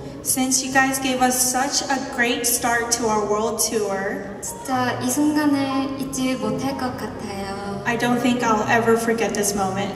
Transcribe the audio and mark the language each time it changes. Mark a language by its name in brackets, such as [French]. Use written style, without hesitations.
[English] Since you guys gave us such a great start to our world tour, [Korean] 진짜 이 순간을 잊지 못할 것 같아요. [English] I don't think I'll ever forget this moment.